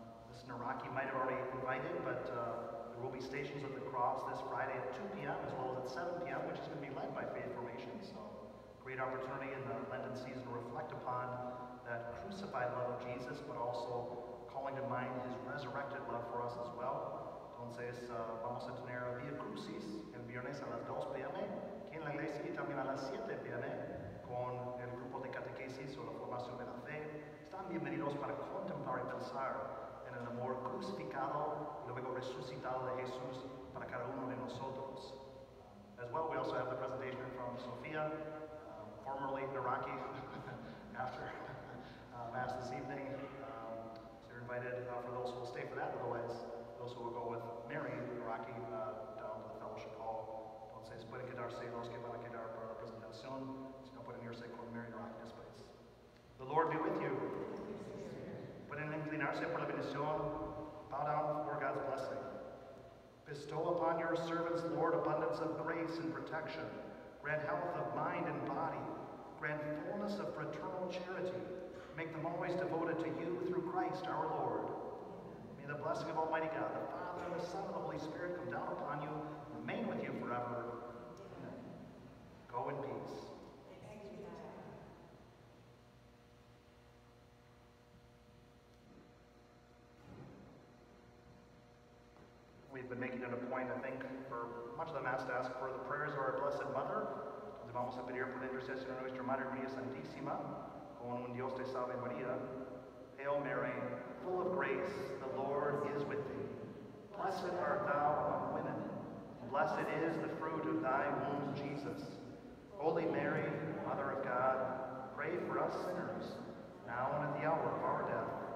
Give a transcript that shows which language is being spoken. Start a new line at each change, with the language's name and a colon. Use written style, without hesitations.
English: This Naraki might have already invited, but there will be Stations of the Cross this Friday at 2 p.m. as well as at 7 p.m., which is going to be led by Faith Formation. So great opportunity in the Lenten season to reflect upon that crucified love of Jesus, but also calling to mind his resurrected love for us as well.
Spanish: Entonces, vamos a tener Via Crucis el viernes a las 2 p.m., aquí en la iglesia y también a las 7 p.m., con el grupo de catequesis o la formación de la fe. Están bienvenidos para contemplar y pensar en el amor crucificado y luego resucitado de Jesús para cada uno de nosotros.
English: As well, we also have the presentation from Sofía, formerly Naraki, after Mass this evening. So you're invited for those who will stay for that, otherwise those who will go with Mary Naraki down to the fellowship hall.
Spanish: Entonces, pueden quedarse los que van a quedar para la presentación. Si no pueden irse con Mary Naraki después.
English: The Lord be with you.
Spanish: Pueden inclinarse por la bendición.
English: Bow down for God's blessing. Bestow upon your servants, Lord, abundance of grace and protection. Grant health of mind and body. Grant fullness of fraternal charity. Make them always devoted to you through Christ our Lord. May the blessing of Almighty God, the Father, the Son, and the Holy Spirit come down upon you and remain with you forever. Amen. Go in peace. We've been making it a point, I think, for much of the Mass to ask for the prayers of our Blessed Mother.
Spanish: Entonces vamos a pedir por la intercesión de nuestra Madre María Santísima, con un Dios te salve María.
English: Hail Mary, full of grace, the Lord is with thee. Blessed art thou among women, and blessed is the fruit of thy womb, Jesus. Holy Mary, Mother of God, pray for us sinners, now and at the hour of our death.